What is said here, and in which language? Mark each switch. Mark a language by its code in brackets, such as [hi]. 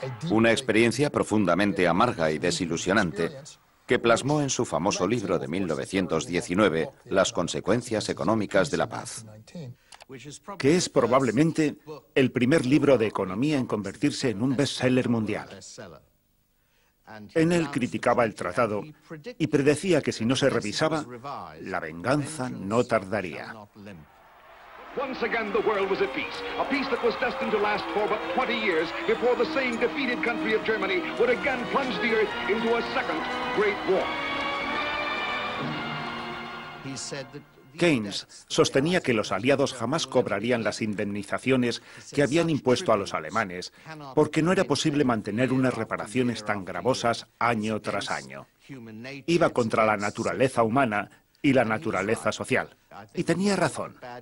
[es] Una experiencia profundamente amarga y desilusionante que plasmó en su famoso libro de 1919, Las consecuencias económicas de la paz. que es probablemente el primer libro de economía en convertirse en un bestseller mundial. En él criticaba el tratado y predecía que si no se revisaba, la venganza no tardaría. [en] Once again the world was at peace, a peace that was destined to last for but 20 years before the same defeated country of Germany would again plunge the earth into a second great war. [es] Keynes sostenía que los aliados jamás cobrarían las indemnizaciones que habían impuesto a los alemanes, porque no era posible mantener unas reparaciones tan gravosas año tras año. Iba contra la naturaleza humana y la naturaleza social. Y tenía razón.